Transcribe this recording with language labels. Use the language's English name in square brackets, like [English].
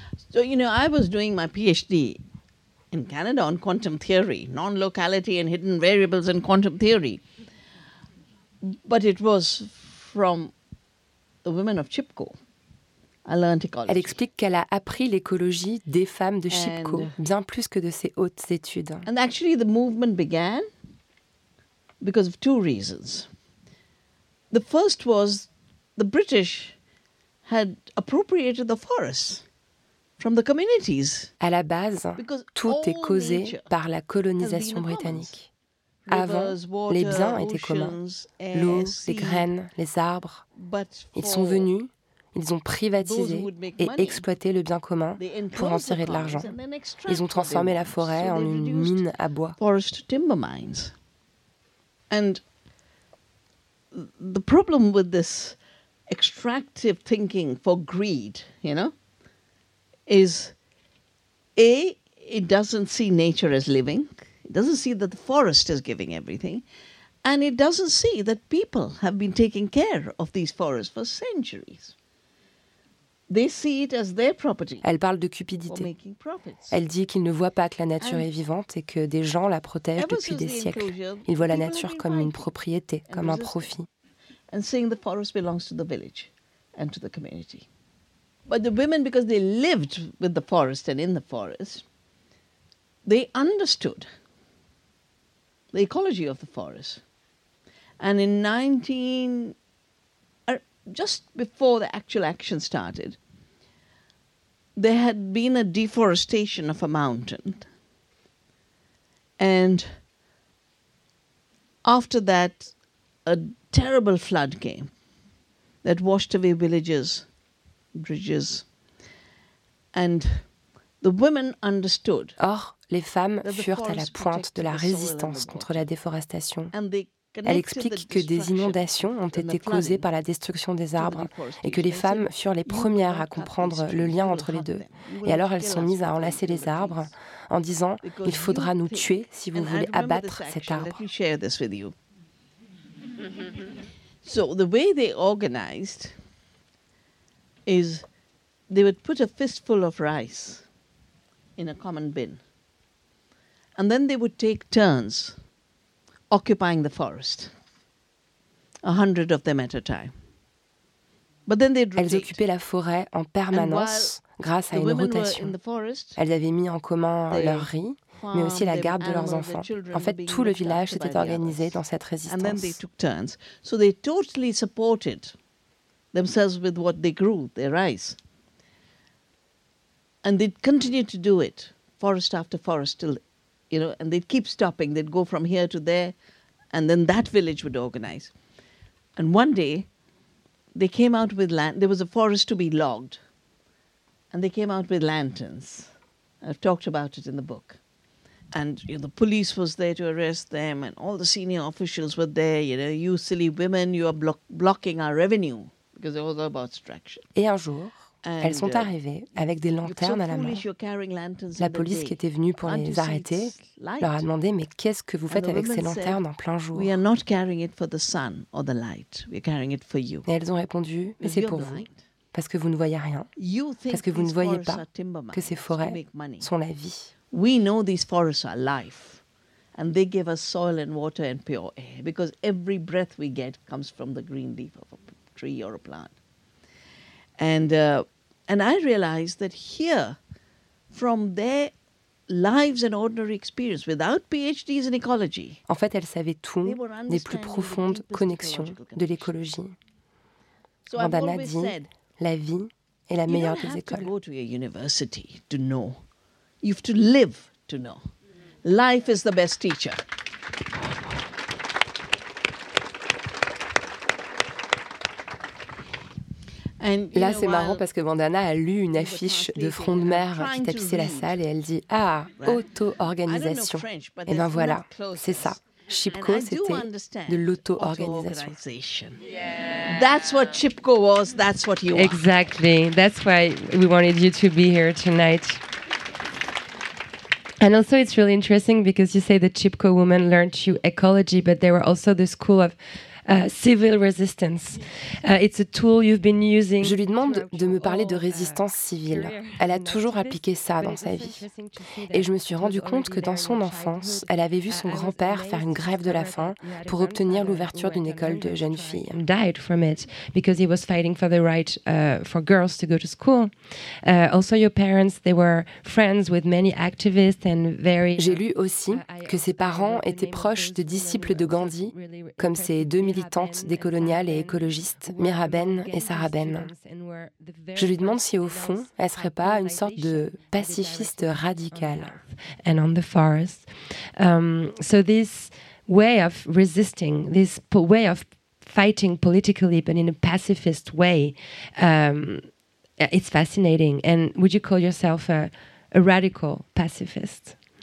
[English] So, you know, I was doing my PhD in Canada on quantum theory, non-locality and hidden variables in quantum theory. But it was from the women of SHIPCO. [French] Elle explique qu'elle a appris l'écologie des femmes de SHIPCO, bien plus que de ses hautes études. [English] And actually the movement began because of two reasons. The first was the British had appropriated the forests from the communities. [French] À la base, tout est causé par la colonisation britannique. Avant, les biens étaient communs, l'eau, les graines, les arbres. Ils sont venus. Ils ont privatisé et exploité le bien commun pour en tirer de l'argent. Ils ont transformé la forêt en une mine à bois. [English] Forest timber mines. And the problem with this extractive thinking for greed, you know, is A, it doesn't see nature as living. It doesn't see that the forest is giving everything. And it doesn't see that people have been taking care of these forests for centuries. They see it as their property. [French] Elle parle de cupidité. Elle dit qu'ils ne voient pas que la nature est vivante et que des gens la protègent depuis des siècles. Ils voient la nature comme une propriété, comme un profit. [English] And seeing the forest belongs to the village and to the community. But the women, because they lived with the forest and in the forest, they understood the ecology of the forest. And in just before the actual action started, there had been a deforestation of a mountain. And after that, a terrible flood came that washed away villages, bridges. And the women understood. [French] Or, les femmes furent à la pointe de la résistance contre la déforestation. Elle explique que des inondations ont été causées par la destruction des arbres et que les femmes furent les premières à comprendre le lien entre les deux. Et alors elles sont mises à enlacer les arbres en disant « Il faudra nous tuer si vous voulez abattre cet arbre ». [English] So the way they organized is they would put a fistful of rice in a common bin and then they would take turns occupying the forest, 100 of them at a time. But then they'd rotate. [French] Elles occupaient la forêt en permanence grâce à une rotation. Elles avaient mis en commun leur riz, mais aussi la garde de leurs enfants. En fait, tout le village s'était organisé dans cette résistance. [English] And then they took turns. So they totally supported themselves with what they grew, their rice. And they'd continue to do it, forest after forest, till, you know, and they'd keep stopping. They'd go from here to there, and then that village would organize. And one day, they came out with land. There was a forest to be logged, and they came out with lanterns. I've talked about it in the book. And you know, the police was there to arrest them, and all the senior officials were there. You know, you silly women, you are blocking our revenue, because it was all about extraction. [French] Et un jour, Elles sont arrivées avec des lanternes à la main. La police qui était venue pour les arrêter leur a demandé « Mais qu'est-ce que vous faites avec ces lanternes en plein jour ?» Et elles ont répondu « Mais c'est pour vous, parce que vous ne voyez rien, parce que vous ne voyez pas que ces forêts sont la vie. » [English] We know these forests are life, and they give us soil and water and pure air, because every breath we get comes from the green leaf of a tree or a plant. And I realized that here, from their lives and ordinary experience, without PhDs in ecology, [French] en fait, elles savaient tout des plus profondes connexions de l'écologie. So Vandana dit, la vie est la meilleure des écoles. [English] You don't have to go to a university to know. You have to live to know. Life is the best teacher. [French] Là, c'est marrant parce que Vandana a lu une affiche de Front de Mer qui tapissait la salle et elle dit « Ah, auto-organisation ». Et ben voilà, c'est ça. Chipko, c'était de l'auto-organisation. [English] That's what Chipko was, that's what you are. Exactly. That's why we wanted you to be here tonight. And also, it's really interesting because you say the Chipko woman learned you ecology, but there were also the school of civil resistance. It's a tool you've been using. [French] Je lui demande de me parler de résistance civile. Elle a toujours appliqué ça dans sa vie. Et je me suis rendu compte que dans son enfance, elle avait vu son grand-père faire une grève de la faim pour obtenir l'ouverture d'une école de jeunes filles. [English] Died from it because he was fighting for the right for girls to go to school. Also, your parents, they were friends with many activists and very. [French] J'ai lu aussi que ses parents étaient proches de disciples de Gandhi, comme ses deux militantes décoloniales et écologistes, Mira Ben et Sarah Ben. Je lui demande si, au fond, elle ne serait pas une sorte de pacifiste radicale. [English] And on the forest. So this way of resisting, this way of fighting politically, but in a pacifist way, it's fascinating. And would you call yourself a radical pacifist?